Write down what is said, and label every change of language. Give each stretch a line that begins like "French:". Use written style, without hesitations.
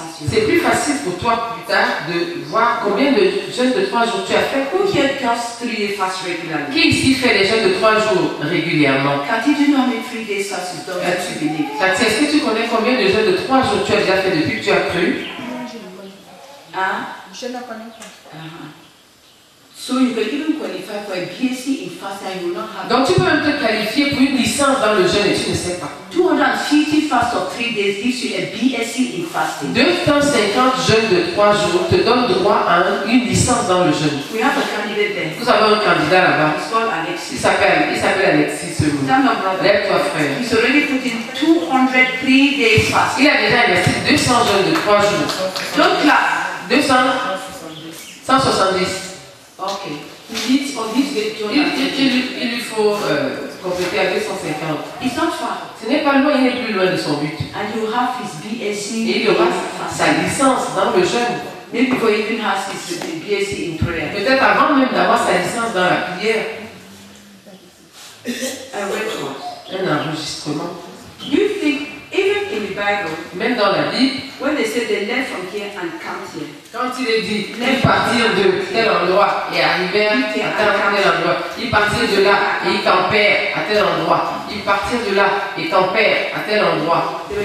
French: C'est plus facile pour toi plus tard de voir combien de jeûnes de 3 jours tu as fait.
English: Who here does 3 fast regularly?
French: Qui ici fait les jeûnes de 3 jours régulièrement? Cathy, est-ce que tu connais combien de jeûnes de 3 jours tu as déjà fait depuis que tu as cru? Je ne connais pas.
English: So you can even qualify for a BSc in fasting, you will not have.
French: Donc tu peux même te qualifier pour une licence dans le jeûne et tu ne sais pas.
English: 250 fasts of 3 days gives you a BSc in fasting.
French: 250 jeûnes de 3 jours te donnent droit à une licence dans le jeûne.
English: We have a candidate there.
French: Nous avons un candidat là-bas.
English: He's called Alexis.
French: Il s'appelle Alexis, ce mot. Lève-toi, frère.
English: He's already put in 203 days fast.
French: Il a déjà investi 200 jeûnes de 3 jours. Donc là, 170. Ok. Il lui faut compléter à 250.
English: It's not far.
French: Ce n'est pas loin, il est plus loin de son but.
English: And you have his BSc.
French: Et il aura sa licence dans le jeûne.
English: Maybe he even has his BSc in prayer.
French: Peut-être avant même d'avoir sa licence dans la prière. Un enregistrement.
English: You think even in the Bible,
French: même dans la Bible,
English: when they say they left from here and come here.
French: Quand il est dit qu'ils partirent de tel endroit et arrivèrent à tel endroit, ils partirent de là et ils campèrent à tel endroit, ils partirent de là et campèrent à tel endroit.